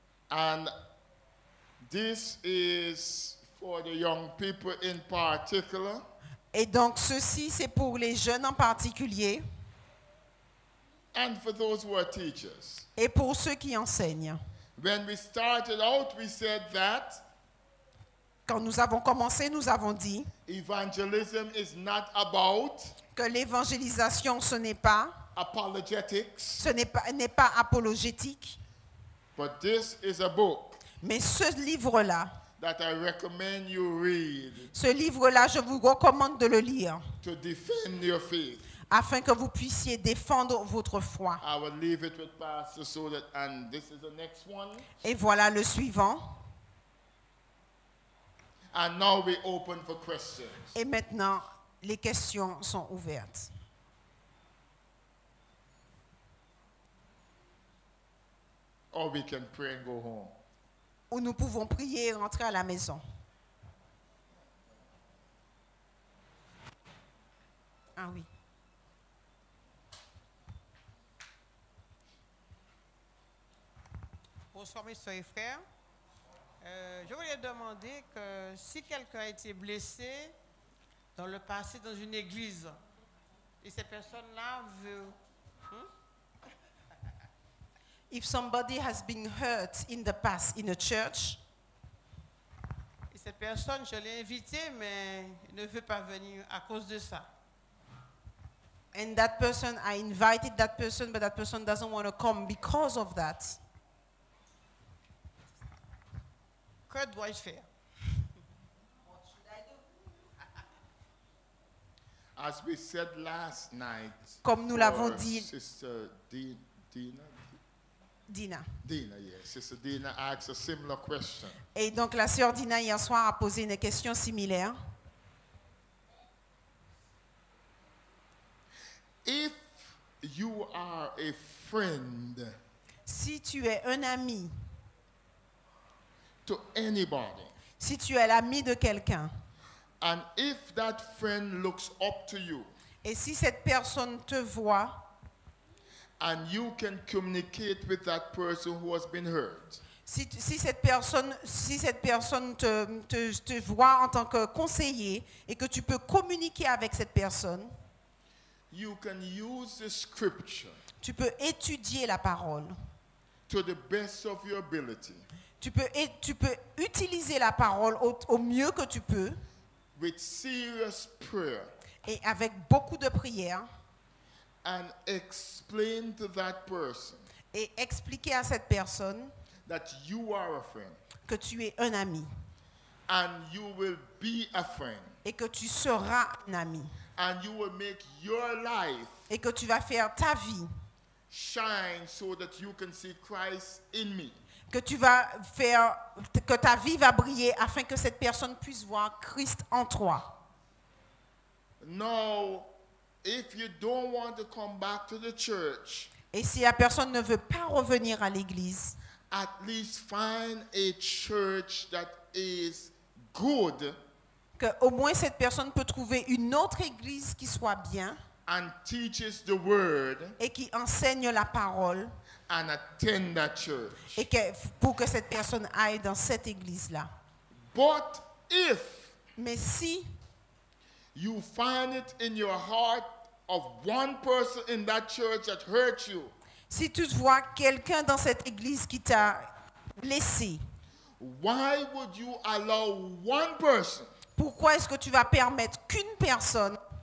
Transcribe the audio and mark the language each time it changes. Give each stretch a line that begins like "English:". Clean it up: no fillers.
English: And this is for the young people in particular.
French: Et donc ceci c'est pour les jeunes en particulier.
English: And for those who are teachers.
French: Et pour ceux qui enseignent.
English: When we started out, we said that
French: quand nous avons commencé, nous avons dit
English: evangelism is not about
French: que l'évangélisation ce n'est pas
English: apologetics,
French: ce n'est pas apologétique,
English: but this is a book.
French: Mais ce livre-là,
English: that I recommend you read,
French: ce livre-là, je vous recommande de le lire
English: to defend your faith.
French: Afin que vous puissiez défendre votre foi.
English: I will leave it with Pastor so that, and this is the next one.
French: Et voilà le suivant.
English: And now we open for questions.
French: Et maintenant, les questions sont ouvertes.
English: Or we can pray and go home.
French: Ou nous pouvons prier et rentrer à la maison. Ah oui. Bonsoir, mes soeurs et frères. Je voulais demander que si quelqu'un a été blessé dans le passé dans une église, et cette personne-là veut...
English: If somebody has been hurt in the past in a church,
French: et cette personne, je l'ai invité, mais ne veut pas venir à cause de ça.
English: And that person, I invited that person, but that person doesn't want to come because of that.
French: Que dois-je faire?
English: What should I do? As we said last night,
French: comme nous l'avons dit,
English: Sister Dina.
French: Dina.
English: Dina, yes. Sister Dina asked a similar question.
French: Et donc la sœur Dina hier soir a posé une question similaire.
English: If you are a friend,
French: si tu es un ami,
English: to anybody,
French: si tu es l'ami de quelqu'un,
English: and if that friend looks up to you,
French: et si cette personne te voit,
English: and you can communicate with that person who has been hurt.
French: Si cette personne te voit en tant que conseiller et que tu peux communiquer avec cette personne,
English: you can use the scripture.
French: Tu peux étudier la parole.
English: To the best of your ability.
French: Tu peux utiliser la parole au mieux que tu peux.
English: With serious prayer.
French: Et avec beaucoup de prière.
English: And explain to that person,
French: et expliquer à cette personne,
English: that you are a friend,
French: que tu es un ami,
English: and you will be a friend,
French: et que tu seras un ami,
English: and you will make your life,
French: et que tu vas faire ta vie,
English: shine so that you can see Christ in me,
French: que tu vas faire que ta vie va briller afin que cette personne puisse voir Christ en toi.
English: Now, if you don't want to come back to the church,
French: et si la personne ne veut pas revenir à l'église,
English: at least find a church that is good,
French: que au moins cette personne peut trouver une autre église qui soit bien,
English: and teaches the word,
French: et qui enseigne la parole,
English: and attend that church,
French: et que pour que cette personne aille dans cette église là.
English: But if,
French: mais si
English: you find it in your heart of one person in that church that hurt you,
French: si tu vois quelqu'un dans cette église qui t'a blessé,
English: why would you allow one person,
French: pourquoi est-ce que tu vas permettre qu'une personne,